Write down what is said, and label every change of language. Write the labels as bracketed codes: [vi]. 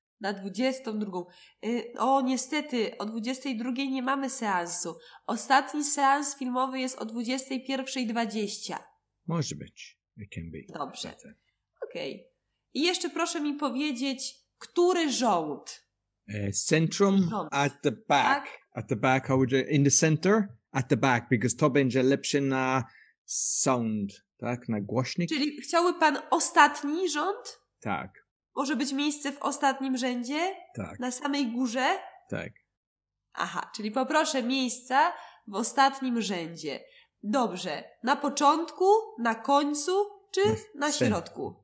[pl] Na 22. O, niestety, o 22 nie mamy seansu. Ostatni seans filmowy jest o 21.20. Może być. [en] It can be. [pl] Dobrze. Okej. Okay. I jeszcze proszę mi powiedzieć, który żołd? [en] Centrum at the back. [pl] Tak? [en] At the back, how would you... In the center, at the back, because [pl] to będzie lepsze na [en] sound. [pl] Tak, na głośnik. Czyli chciałby pan ostatni rząd? Tak. Może być miejsce w ostatnim rzędzie? Tak. Na samej górze? Tak. Aha, czyli poproszę miejsca w ostatnim rzędzie. Dobrze. Na początku, na końcu, czy na środku?